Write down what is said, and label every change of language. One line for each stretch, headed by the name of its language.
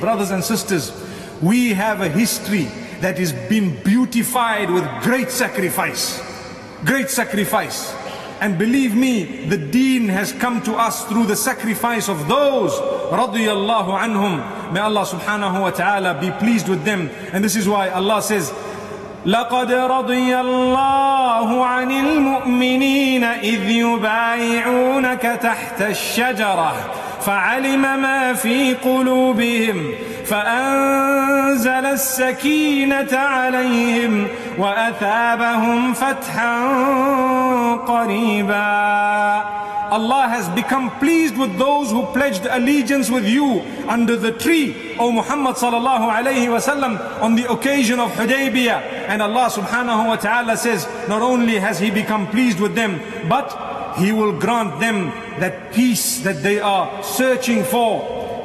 English: Brothers and sisters, we have a history that has been beautified with great sacrifice. Great sacrifice. And believe me, the deen has come to us through the sacrifice of those radiyallahu anhum. May Allah subhanahu wa ta'ala be pleased with them.
Arabic: And this is why Allah says, لَقَدْ رَضِيَ اللَّهُ عَنِ الْمُؤْمِنِينَ إِذْ يُبَايِعُونَكَ تَحْتَ الشَّجَرَةِ فَعَلِمَ مَا فِي قُلُوبِهِمْ فَأَنزَلَ السَّكِينَةَ عَلَيْهِمْ وَأَثَابَهُمْ فَتْحًا قَرِيبًا.
English: Allah has become pleased with those who pledged allegiance with you under the tree, O Muhammad sallallahu alayhi wa sallam, on the occasion of Hudaybiyah. And Allah subhanahu wa ta'ala says, not only has He become pleased with them, but He will grant them that peace that they are searching for.